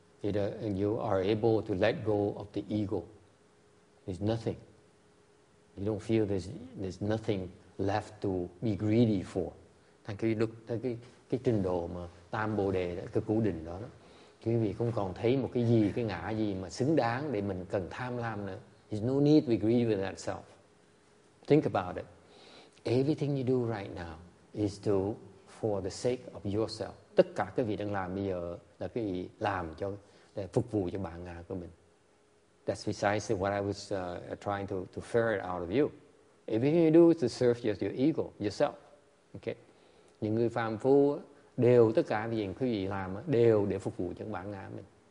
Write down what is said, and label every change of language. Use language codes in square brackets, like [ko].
[en] And you are able to let go of the ego. There's nothing. You don't feel there's nothing left to be greedy for. [vi] Thành cái lúc, cái trình độ mà Tam Bồ Đề, cái Cửu Định đó, quý vị không còn thấy một cái gì, cái ngã gì mà xứng đáng để mình cần tham lam nữa. [en] There's no need to be greedy with that self. Think about it. Everything you do right now is to for the sake of yourself. [vi] Tất cả cái gì đang làm bây giờ là cái gì làm cho, để phục vụ cho bản ngã của mình. [en] That's precisely what I was trying to ferret out of you. Everything you do is to serve your ego, yourself. Okay? [vi] Những người phàm phu đều, tất cả những cái gì làm đều để phục vụ cho bản ngã mình.